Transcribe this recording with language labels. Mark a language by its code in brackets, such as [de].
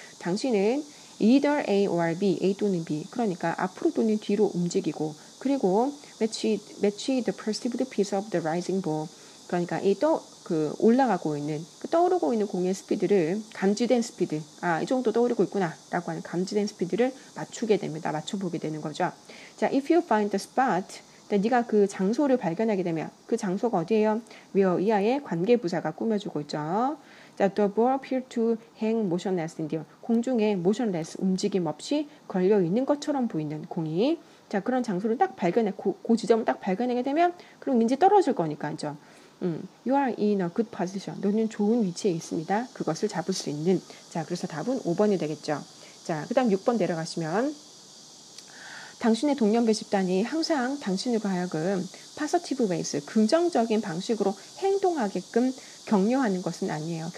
[ko] 당신은 [en] either A or B, [ko] A 또는 B 그러니까 앞으로 또는 뒤로 움직이고 그리고 [en] match the perceived piece of the rising ball [ko] 그러니까 이 또 그 올라가고 있는 그 떠오르고 있는 공의 스피드를 감지된 스피드 아 이 정도 떠오르고 있구나 라고 하는 감지된 스피드를 맞추게 됩니다. 맞춰보게 되는 거죠. 자, [en] if you find the spot [ko] 네가 그 장소를 발견하게 되면 그 장소가 어디예요? Where 이하의 관계부사가 꾸며주고 있죠. [en] 자, the ball appeared to hang motionless in the air. [ko] 공중에 motionless, 움직임 없이 걸려있는 것처럼 보이는 공이. 자, 그런 장소를 딱 발견해, 그 지점을 딱 발견하게 되면 그럼 이제 떨어질 거니까, 그죠? [en] You are in a good position. [ko] 너는 좋은 위치에 있습니다. 그것을 잡을 수 있는. 자, 그래서 답은 5번이 되겠죠. 자, 그 다음 6번 내려가시면 당신의 동년배 집단이 항상 당신으로 하여금 positive ways, 긍정적인 방식으로 행동하게끔 격려하는 것은 아니에요.